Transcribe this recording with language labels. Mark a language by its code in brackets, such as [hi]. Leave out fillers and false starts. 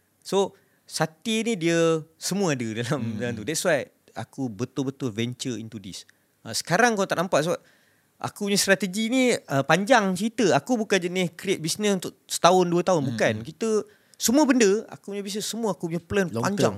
[ms] So sate ni dia semua ada dalam dalam tu. [en] That's why [ms] aku betul-betul [en] venture into this. [ms] Sekarang kau tak nampak sebab aku punya strategi ni panjang cerita. Aku bukan jenis create business untuk setahun, dua tahun. Bukan. Kita semua benda, aku punya business, semua aku punya plan long panjang.